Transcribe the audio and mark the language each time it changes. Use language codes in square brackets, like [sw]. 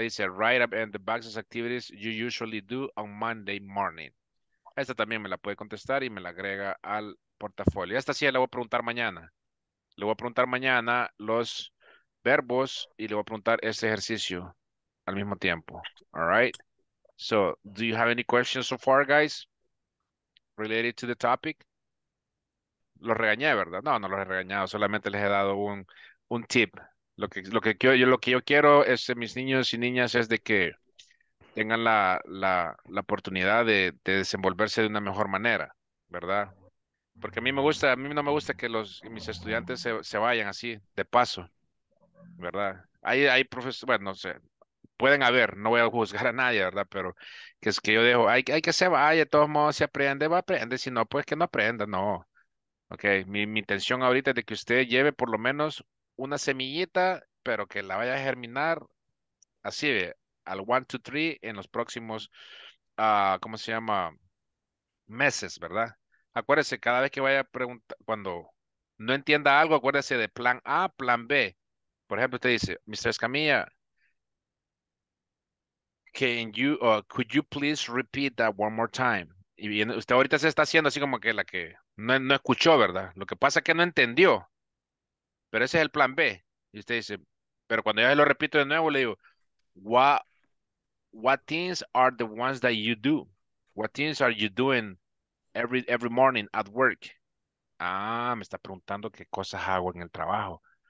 [es] Dice, [en] write up in the boxes activities you usually do on Monday morning. [es] Esta también me la puede contestar y me la agrega al portafolio. Esta sí la voy a preguntar mañana. Le voy a preguntar mañana los verbos y le voy a preguntar este ejercicio al mismo tiempo. [en] All right. So, do you have any questions so far, guys? Related to the topic? [es] Los regañé, ¿verdad? No, no los he regañado. Solamente les he dado un tip. Lo que yo quiero es que mis niños y niñas es de que tengan la oportunidad de desenvolverse de una mejor manera, ¿verdad? Porque a mí no me gusta que mis estudiantes se vayan así, de paso, ¿verdad? Hay profesores, bueno, no sé, pueden haber, no voy a juzgar a nadie, ¿verdad? Pero que es que yo dejo, hay que se vaya, de todos modos, si aprende, va a aprender, si no, pues que no aprenda, no. Ok, mi intención ahorita es de que usted lleve por lo menos una semillita, pero que la vaya a germinar así, al 1, 2, 3 en los próximos, ¿cómo se llama? Meses, ¿verdad? Acuérdese, cada vez que vaya a preguntar, cuando no entienda algo, acuérdese de plan A, plan B. Por ejemplo, usted dice, Mr. [en] Escamilla, could you please repeat that one more time? [es] Y usted ahorita se está haciendo así como que la que no escuchó, ¿verdad? Lo que pasa es que no entendió. Pero ese es el plan B. Y usted dice, pero cuando yo lo repito de nuevo, le digo, [en] what things are the ones that you do? What things are you doing every morning at work? [es] Ah, me está preguntando qué cosas hago en el trabajo.